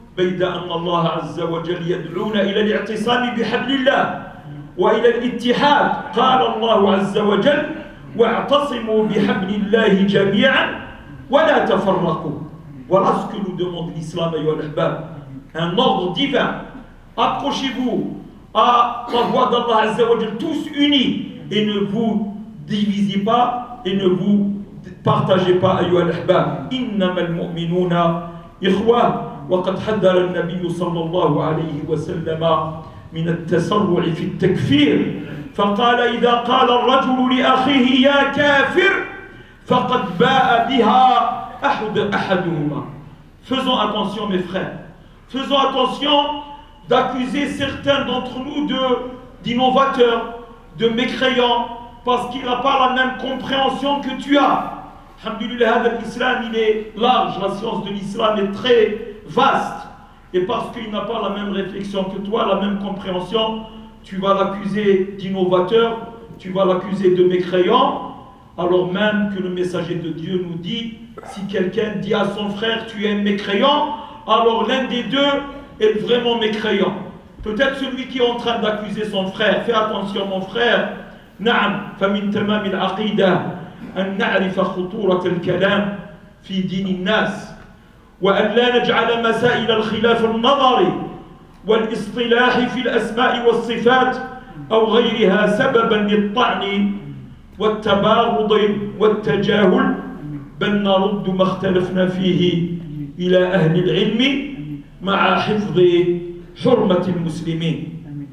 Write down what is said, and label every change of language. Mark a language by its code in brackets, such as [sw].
[ar] بيد أن الله عز وجل يدعون إلى الاعتصام بحبل الله وإلى الاتحاد. قال الله عز وجل: واعتصموا بحبل الله جميعا ولا تفرقوا. [fr] Voilà ce que nous demande l'islam, [ar] ayo al-ahbab. [fr] Un ordre divin. Approchez-vous à la voix d'Allah Azza wa Jal, tous unis, et ne vous divisez pas et ne vous partagez pas, [ar] ayo al-ahbab. إنما المؤمنون إخوة. وقد حذر النبي صلى الله عليه وسلم من التسرع في التكفير، فقال: إذا قال الرجل لأخيه يا كافر فقد باء بها أحدهما. [fr] Faisons attention mes frères, faisons attention d'accuser certains d'entre nous d'innovateurs, de mécréants, parce qu'il n'a pas la même compréhension que tu as. Alhamdulillah, l'islam il est large, la science de l'islam est très vaste, et parce qu'il n'a pas la même réflexion que toi, la même compréhension, tu vas l'accuser d'innovateur, tu vas l'accuser de mécréant, alors même que le messager de Dieu nous dit, si quelqu'un dit à son frère tu es mécréant, alors l'un des deux est vraiment mécréant. Peut-être celui qui est en train d'accuser son frère, fais attention mon frère. [ar] Na'am, fa min tamam al-aqida an na'rif khutura al-kalam fi din an-nas وأن لا نجعل مسائل الخلاف النظري والاصطلاح في الأسماء والصفات أو غيرها سببا للطعن والتباغض والتجاهل، بل نرد ما اختلفنا فيه إلى أهل العلم مع حفظ حرمة المسلمين.